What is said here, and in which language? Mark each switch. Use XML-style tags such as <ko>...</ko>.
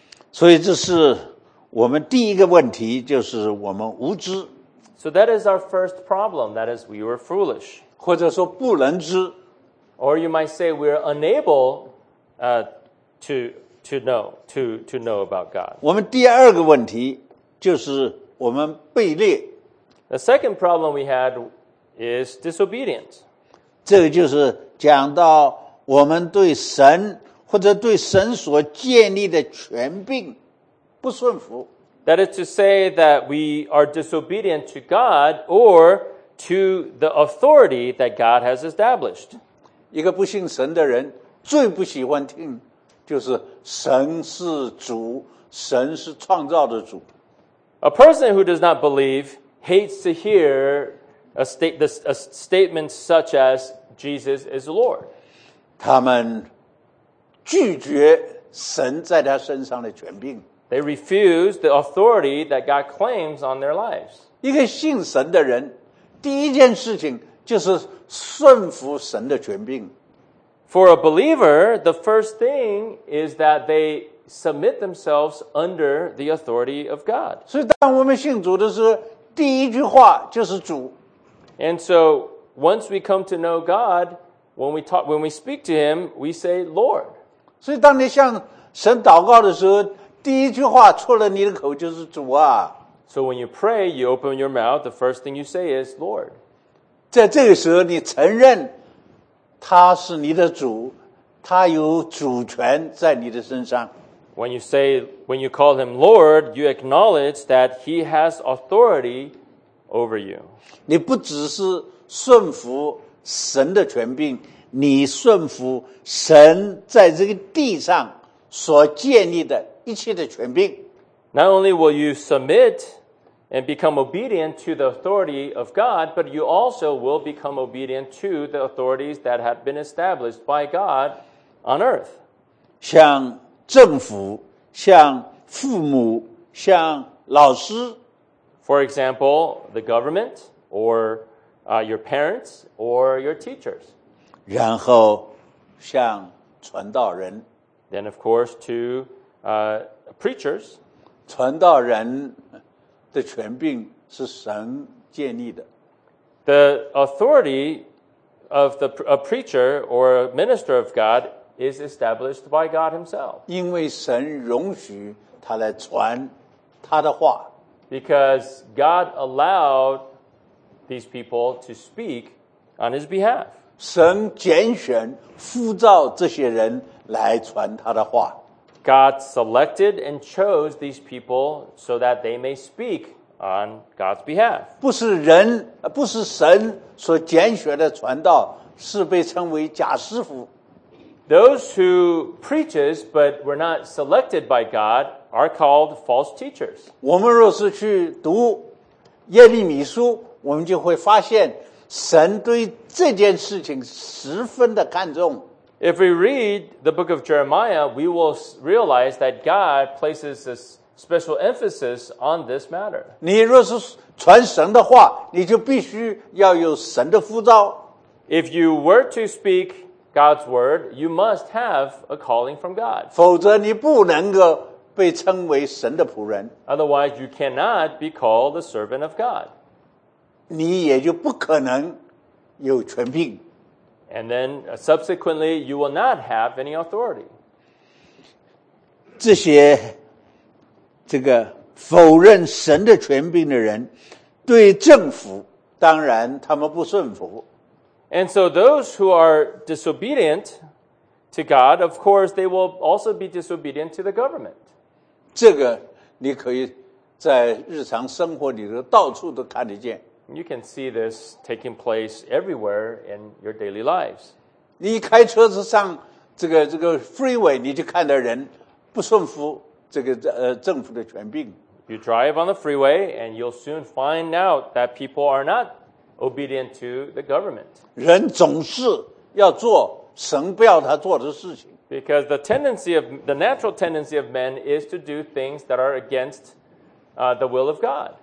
<zh>所以这是我们第一个问题，就是我们无知。</zh> <en>So that is our first problem. That is, we were foolish.</en> <zh>或者说不能知。</zh> <en>Or you might say we are unable to know about God.</en> <zh>我们第二个问题就是我们悖逆。</zh> <en>The second problem we had is disobedience.</en> <zh>这个就是讲到我们对神或者对神所建立的权柄不顺服。</zh> <en>That is to say that we are disobedient to God or to the authority that God has established.</en> <zh>一个不信神的人最不喜欢听就是神是主，神是创造的主。</zh> <en>A person who does not believe hates to hear a statement such as Jesus is Lord.</en> <zh>他们拒绝神在他身上的权柄。</zh> <en>They refuse the authority that God claims on their lives.</en> <zh>一个信神的人，第一件事情就是顺服神的权柄。</zh> <en>For a believer, the first thing is that they submit themselves under the authority of God.</en> <zh>所以当我们信主的时候，第一句话就是主。</zh> <en>And so, once we come to know God,when we speak to him, we say, Lord.</en> <zh>所以当你向神祷告的时候，第一句话出了你的口就是主啊。</zh> <en>So when you pray, you open your mouth, the first thing you say is, Lord.</en> <zh>在这个时候你承认他是你的主，他有主权在你的身上。</zh> <en>When you call him Lord, you acknowledge that he has authority over you.</en> <zh>你不只是顺服神的权柄，你顺服神在这个地上所建立的一切的权柄。</zh> <en>Not only will you submit and become obedient to the authority of God, but you also will become obedient to the authorities that have been established by God on earth.</en> <zh>像政府，像父母，像老师。</zh> <en>For example, the government or your parents or your teachers.</en> <zh>然后像传道人。</zh> <en>Then, of course, to preachers.</en> <zh>传道人的权柄是神建立的。</zh> <en>The authority of a preacher or a minister of God is established by God himself.</en> <zh>因为神容许他来传他的话。</zh> <en>Because God allowed these people to speak on his behalf.</en> <zh>神拣选呼召这些人来传他的话。</zh> <en>God selected and chose these people so that they may speak on God's behalf.</en> <zh>不是人，不是神所拣选的传道，是被称为假师傅。</zh> <en>Those who preaches but were not selected by God are called false teachers.</en> <zh>我们若是去读耶利米书，我们就会发现神对这件事情十分的看重。</zh> <en>If we read the book of Jeremiah, we will realize that God places a special emphasis on this matter.</en> <zh>你若是传神的话，你就必须要有神的呼召。</zh> <en>If you were to speak God's word, you must have a calling from God.</en> <zh>否则你不能够被称为神的仆人。</zh> <en>Otherwise, you cannot be called a servant of God.</en> <zh>你也就不可能有权柄。</zh> <en>And then, subsequently, you will not have any authority.</en> <zh>这些这个否认神的权柄的人，对政府当然他们不顺服。</zh> <en>And so those who are disobedient to God, of course, they will also be disobedient to the government.</en> <zh>这个你可以在日常生活里头到处都看得见。</zh> <en>You can see this taking place everywhere in your daily lives.</en> <zh>你一开车子上这个 freeway, 你就看到人不顺服这个政府的权柄。</zh> <en>You drive on the freeway and you'll soon find out that people are not obedient to the government.</en> <zh>人总是要做神不要他做的事情。</zh> <en>Because the natural tendency of men is to do things that are against the will of God.</en>